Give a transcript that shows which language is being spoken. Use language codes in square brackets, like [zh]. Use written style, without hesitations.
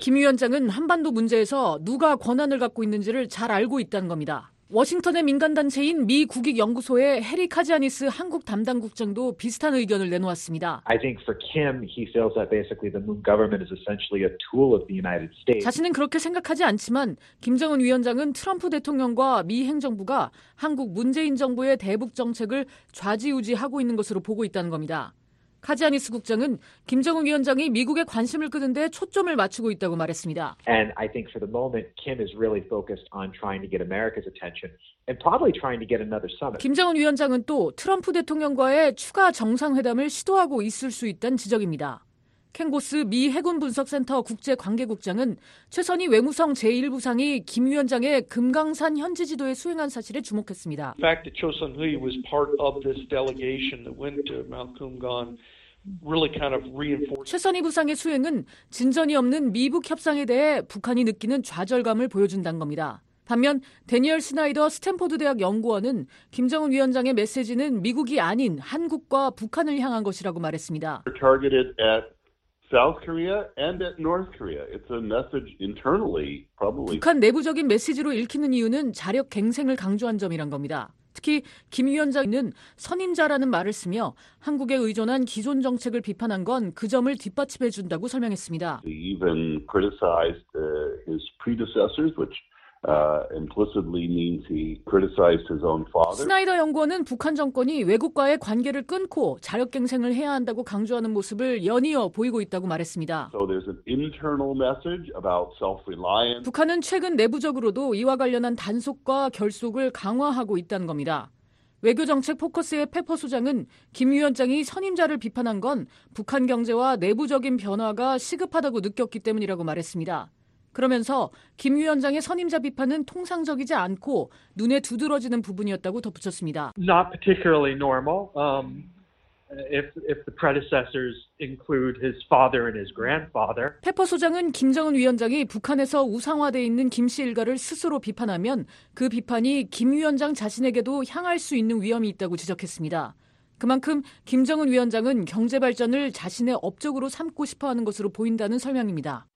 [ko] 김 위원장은 한반도 문제에서 누가 권한을 갖고 있는지를 잘 알고 있다는 겁니다. 워싱턴의 민간단체인 미 국익연구소의 해리 카지아니스 한국 담당 국장도 비슷한 의견을 내놓았습니다. [en] I think for Kim, he feels that basically the Moon government is essentially a tool of the United States. [ko] 자신은 그렇게 생각하지 않지만 김정은 위원장은 트럼프 대통령과 미 행정부가 한국 문재인 정부의 대북 정책을 좌지우지하고 있는 것으로 보고 있다는 겁니다. 카지아니스 국장은 김정은 위원장이 미국의 관심을 끄는 데 초점을 맞추고 있다고 말했습니다. [en] And I think for the moment Kim is really focused on trying to get America's attention and probably trying to get another summit. [ko] 김정은 위원장은 또 트럼프 대통령과의 추가 정상회담을 시도하고 있을 수 있다는 지적입니다. 캥고스 미 해군 분석센터 국제 관계 국장은 최선희 외무성 제1부상이 김 위원장의 금강산 현지 지도에 수행한 사실에 주목했습니다. [en] The fact that Cho Sun-hui was part of this delegation that went to Mount Kumgan really kind of reinforced [ko] 최선희 부상의 수행은 진전이 없는 미북 협상에 대해 북한이 느끼는 좌절감을 보여준다는 겁니다. 반면 대니얼 스나이더 스탠퍼드 대학 연구원은 김정은 위원장의 메시지는 미국이 아닌 한국과 북한을 향한 것이라고 말했습니다. [en] South Korea and at North Korea. It's a message internally, probably. [ko] 북한 내부적인 메시지로 읽히는 이유는 자력 갱생을 강조한 점이란 겁니다. 특히 김 위원장은 선임자라는 말을 쓰며 한국에 의존한 기존 정책을 비판한 건 그 점을 뒷받침해 준다고 설명했습니다. [en] He even criticized his predecessors, which implicitly means he criticized his own father. [ko] 스나이더 연구원은 북한 정권이 외국과의 관계를 끊고 자력갱생을 해야 한다고 강조하는 모습을 연이어 보이고 있다고 말했습니다. [en] So there's an internal message about self-reliance. [ko] 북한은 최근 내부적으로도 이와 관련한 단속과 결속을 강화하고 있다는 겁니다. 외교정책 포커스의 페퍼 소장은 김 위원장이 선임자를 비판한 건 북한 경제와 내부적인 변화가 시급하다고 느꼈기 때문이라고 말했습니다. 그러면서 김 위원장의 선임자 비판은 통상적이지 않고 눈에 두드러지는 부분이었다고 덧붙였습니다. [en] Not particularly normal. If the predecessors include his father and his grandfather. [ko] 페퍼 소장은 김정은 위원장이 북한에서 우상화돼 있는 김 씨 일가를 스스로 비판하면 그 비판이 김 위원장 자신에게도 향할 수 있는 위험이 있다고 지적했습니다. 그만큼 김정은 위원장은 경제 발전을 자신의 업적으로 삼고 싶어하는 것으로 보인다는 설명입니다.